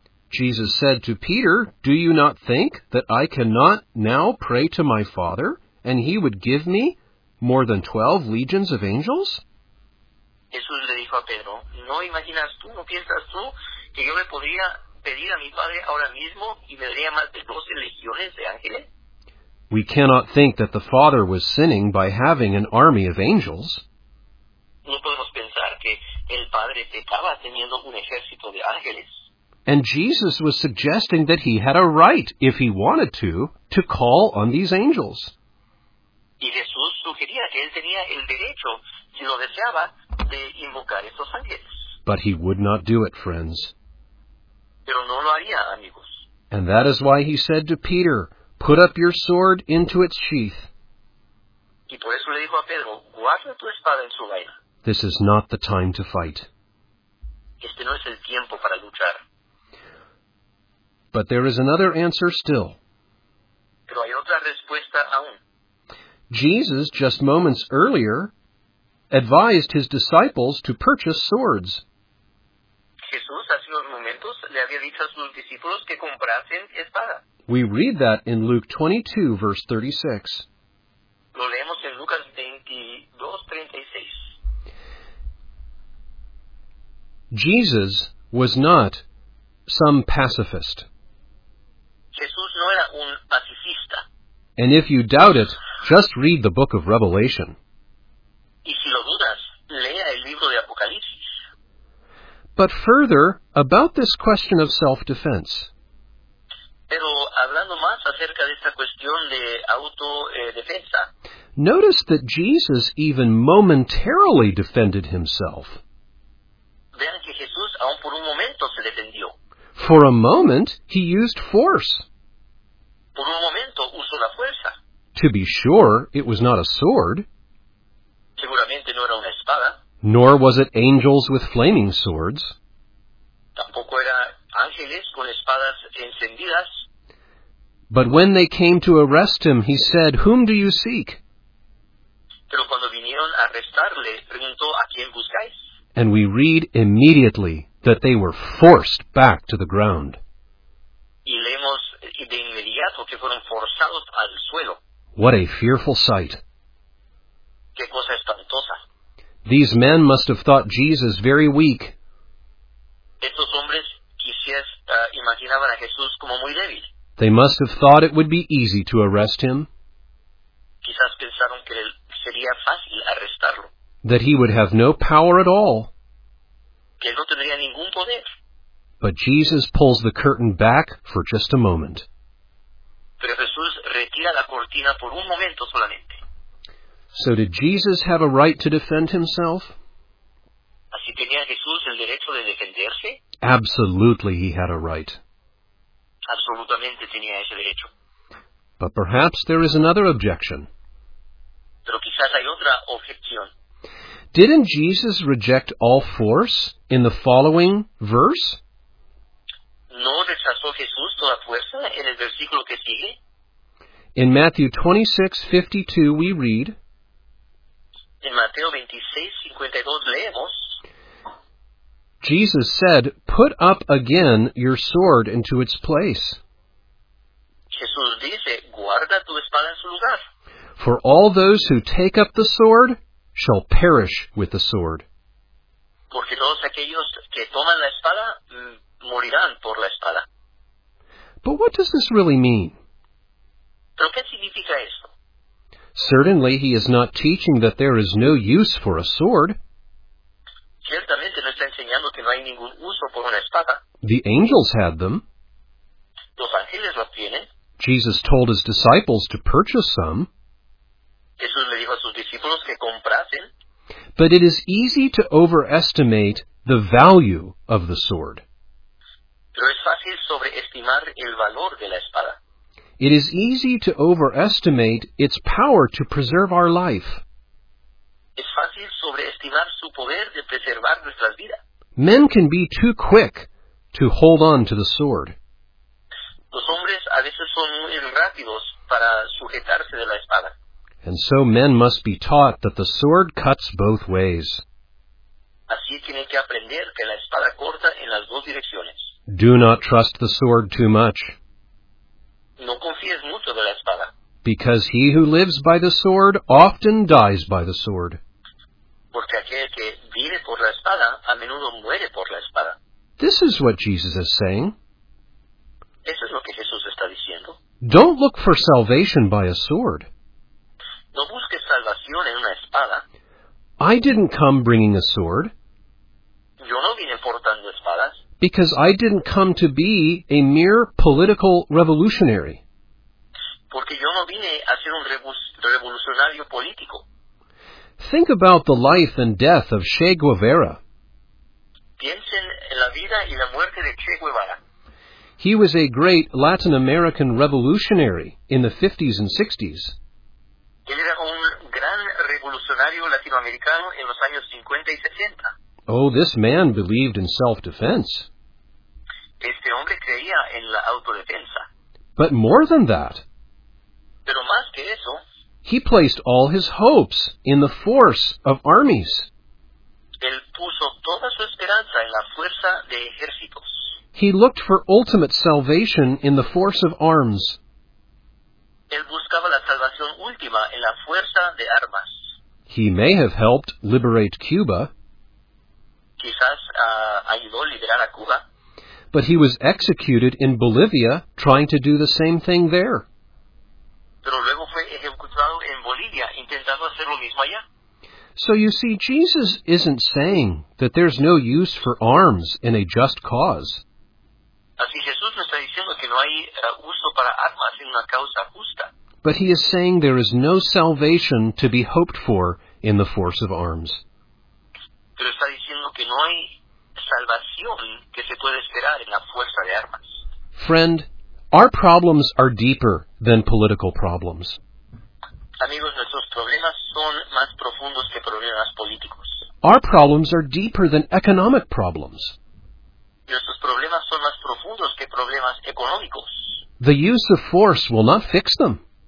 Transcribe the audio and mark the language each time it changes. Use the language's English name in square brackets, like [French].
[English] Jesus said to Peter, "Do you not think that I cannot now pray to my Father, and he would give me more than 12 legions of angels?" [Spanish] Jesús le dijo a Pedro, ¿no imaginas tú, no piensas tú, que yo le podría pedir a mi Padre ahora mismo y me daría más de 12 legiones de ángeles? [English] We cannot think that the Father was sinning by having an army of angels. [Spanish] No podemos pensar que el Padre pecaba teniendo un ejército de ángeles. [English] And Jesus was suggesting that he had a right, if he wanted to call on these angels. [Spanish] Y Jesús sugería que él tenía el derecho, si lo deseaba, de invocar estos ángeles. [English] But he would not do it, friends. [Spanish] Pero no lo haría, amigos. [English] And that is why he said to Peter, "Put up your sword into its sheath." [Spanish] Y por eso le dijo a Pedro, "Guarda tu espada en su vaina." [English] This is not the time to fight. [Spanish] Este no es el tiempo para luchar. [English] But there is another answer still. [Spanish] Pero hay otra respuesta aún. [English] Jesus, just moments earlier, advised his disciples to purchase swords. [Spanish] Jesús, hace unos momentos, le había dicho a sus discípulos que comprasen espada. [English] We read that in Luke 22, verse 36. [Spanish] Lo leemos en Lucas 22, 36. [English] Jesus was not some pacifist. [Spanish] Jesús no era un pacifista. [English] And if you doubt it, just read the book of Revelation. [Spanish] Y si lo dudas, lea el libro de Apocalipsis. [English] But further, about this question of self-defense. [Spanish] Pero hablando más acerca de esta cuestión de autodefensa. [English] Notice that Jesus even momentarily defended himself. [Spanish] Vean que Jesús aún por un momento se defendió. [English] For a moment, he used force. [Spanish] Por un momento, usó la fuerza. [English] To be sure, it was not a sword. [Spanish] Seguramente no era una espada. [English] Nor was it angels with flaming swords. [Spanish] Tampoco era ángeles con espadas encendidas. [English] But when they came to arrest him, he said, "Whom do you seek?" [Spanish] Pero cuando vinieron a arrestarle, preguntó, "¿A quién buscáis?" [English] And we read immediately that they were forced back to the ground. [Spanish] Y leemos de inmediato que fueron forzados al suelo. [English] What a fearful sight. [Spanish] Qué cosa espantosa. [English] These men must have thought Jesus very weak. [Spanish] Estos hombres quizás imaginaban a Jesús como muy débil. [English] They must have thought it would be easy to arrest him. [Spanish] Quizás pensaron que sería fácil arrestarlo. [English] That he would have no power at all. [Spanish] Que no tendría ningún poder. [English] But Jesus pulls the curtain back for just a moment. [Spanish] Pero Jesús retira la cortina por un momento solamente. [English] So did Jesus have a right to defend himself? [Spanish] ¿Así tenía Jesús el derecho de defenderse? [English] Absolutely he had a right. [Spanish] Absolutamente tenía ese derecho. [English] But perhaps there is another objection. [Spanish] Pero quizás hay otra objeción. [English] Didn't Jesus reject all force in the following verse? [Spanish] ¿No rechazó Jesús toda fuerza en el versículo que sigue? [English] In Matthew 26:52 we read, [Spanish] en Mateo 26:52 leemos, [English] Jesus said, "Put up again your sword into its place." [Spanish] Jesús dice, "Guarda tu espada en su lugar." [English] For all those who take up the sword shall perish with the sword. [Spanish] Porque todos aquellos que toman la espada morirán por la espada. [English] But what does this really mean? [Spanish] ¿Pero qué significa esto? [English] Certainly he is not teaching that there is no use for a sword. [Spanish] Ciertamente no está enseñando que no hay ningún uso por una espada. [English] The angels had them. [Spanish] Los ángeles los tienen. [English] Jesus told his disciples to purchase some. [Spanish] Jesús le dijo a sus discípulos que comprasen. [English] But it is easy to overestimate the value of the sword. [Spanish] Pero es fácil sobreestimar el valor de la espada. [English] It is easy to overestimate its power to preserve our life. [Spanish] Es fácil sobreestimar su poder de preservar nuestras vidas. [English] Men can be too quick to hold on to the sword. [Spanish] Los hombres a veces son muy rápidos para sujetarse de la espada. [English] And so men must be taught that the sword cuts both ways. [Spanish] Así tienen que aprender que la espada corta en las dos direcciones. [English] Do not trust the sword too much. [Spanish] No confíes mucho de la espada. [English] Because he who lives by the sword often dies by the sword. [Spanish] Porque aquel que vive por la espada a menudo muere por la espada. [English] This is what Jesus is saying. [Spanish] Eso es lo que Jesús está diciendo. [English] Don't look for salvation by a sword. [Spanish] No busques salvación en una espada. [English] I didn't come bringing a sword. [Spanish] Yo no vine portando espadas. [English] Because I didn't come to be a mere political revolutionary. [Spanish] Porque yo no vine a ser un revolucionario político. [English] Think about the life and death of Che Guevara. [Spanish] Piensen en la vida y la muerte de Che Guevara. [English] He was a great Latin American revolutionary in the 50s and 60s. [Spanish] Él era un gran revolucionario latinoamericano en los años 50 y 60. [English] Oh, this man believed in self-defense. [Spanish] Este hombre creía en la autodefensa. [English] But more than that, [Spanish] pero más que eso, [English] he placed all his hopes in the force of armies. [Spanish] Él puso toda su esperanza en la fuerza de ejércitos. [English] He looked for ultimate salvation in the force of arms. [Spanish] Él buscaba la salvación última en la fuerza de armas. [English] He may have helped liberate Cuba. [Spanish] Quizás ayudó a liberar a Cuba. [English] But he was executed in Bolivia trying to do the same thing there. [Spanish] Pero luego fue ejecutado en Bolivia intentando hacer lo mismo allá. [English] So you see, Jesus isn't saying that there's no use for arms in a just cause. [Spanish] Así Jesús no está diciendo que no hay uso para armas en una causa justa. [English] But he is saying there is no salvation to be hoped for in the force of arms. [Spanish] Pero está diciendo que no hay salvación que se puede esperar en la fuerza de armas. [English] Friend, our problems are deeper than political problems. [Spanish] Amigos, nuestros problemas son más profundos que problemas políticos. [English] Our problems are deeper than economic problems. [Spanish] Nuestros problemas son más profundos que problemas económicos. [English] The use of force will not fix them.